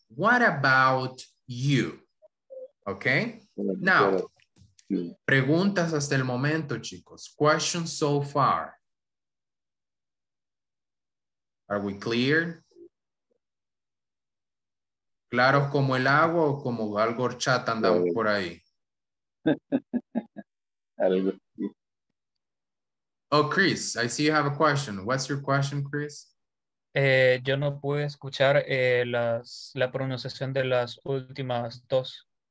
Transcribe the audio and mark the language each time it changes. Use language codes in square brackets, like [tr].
[en] What about you? ¿Ok? Now, [es] preguntas hasta el momento, chicos. [en] Questions so far. Are we clear? [es] ¿Claros como el agua o como algo horchata andamos por ahí? Algo. [en] Oh, Chris, I see you have a question. What's your question, Chris? [es] Yo no pude escuchar la pronunciación de las últimas dos.